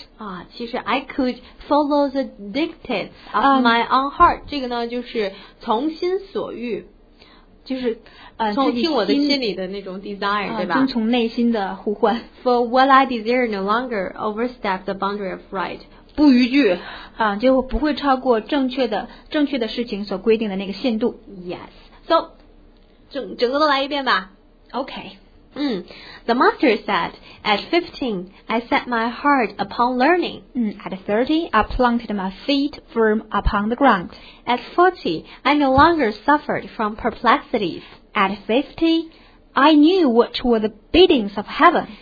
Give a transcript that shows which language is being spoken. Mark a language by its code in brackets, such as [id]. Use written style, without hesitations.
[zh] 啊，其实 [en] I could follow the dictates of my own heart， [zh] 这个呢就是从心所欲，就是从听我的心里的那种 desire， 对吧？遵从内心的呼唤。 [en] For what I desired no longer overstepped the boundary of right. [zh] 不逾矩啊，就不会超过正确的事情所规定的那个限度。 [en] Yes. So, [zh] 整个都来一遍吧。 [en] Okay. The master said, at 15, I set my heart upon learning. At 30, I planted my feet firm upon the ground. At 40, I no longer suffered from perplexities. At 50, I knew what were the biddings of heaven.